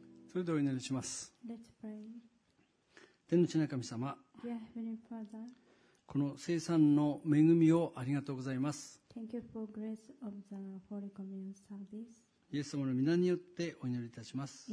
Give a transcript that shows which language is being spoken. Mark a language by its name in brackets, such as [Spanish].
[Japanese] それではお祈りします。 [English] Let's pray. [Japanese] 天の父なる神様、 [English] Dear Heavenly Father, [Japanese] この聖餐の恵みをありがとうございます。 [English] Thank you for grace of the Holy Communion service. [Japanese] イエス様の御名によってお祈りいたします。